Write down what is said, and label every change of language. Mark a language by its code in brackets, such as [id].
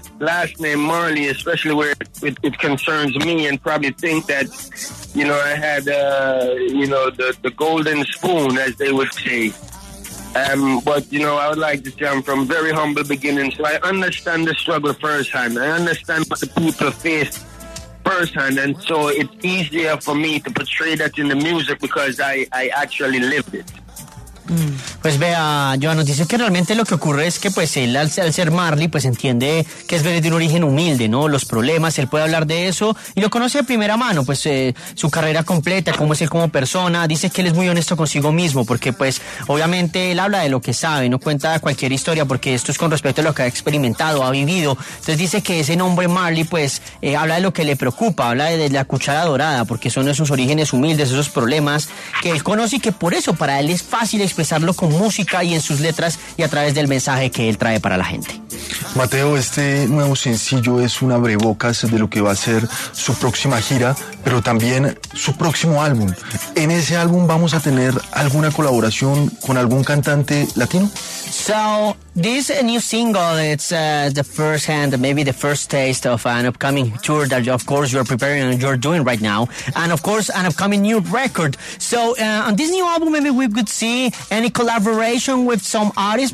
[en] last name Marley, especially where it concerns me, and probably think that, you know, I had, you know, the golden spoon, as they would say. But, you know, I would like to say I'm from very humble beginnings, so I understand the struggle firsthand. I understand what the people face firsthand, and so it's easier for me to portray that in the music because I actually lived it. [es] Pues vea, Joan, nos dice que realmente lo que ocurre es que pues él al ser Marley pues entiende que es venir de un origen humilde, ¿no? Los problemas, él puede hablar de eso y lo conoce de primera mano, pues su carrera completa, cómo es él como persona. Dice que él es muy honesto consigo mismo porque pues obviamente él habla de lo que sabe, no cuenta cualquier historia porque esto es con respecto a lo que ha experimentado, ha vivido. Entonces dice que ese nombre Marley pues habla de lo que le preocupa, habla de la cuchara dorada porque son esos orígenes humildes, esos problemas que él conoce y que por eso para él es fácil expresarlo con música y en sus letras y a través del mensaje que él trae para la gente. Mateo, este nuevo sencillo es un abrebocas de lo que va a ser su próxima gira, pero también su próximo álbum. ¿En ese álbum vamos a tener alguna colaboración con algún cantante latino? [en] So, this new single, it's the first hand, maybe the first taste of an upcoming tour that, of course, you're preparing and you're doing right now. And, of course, an upcoming new record. So, on this new album, maybe we could see any collaboration with some artists.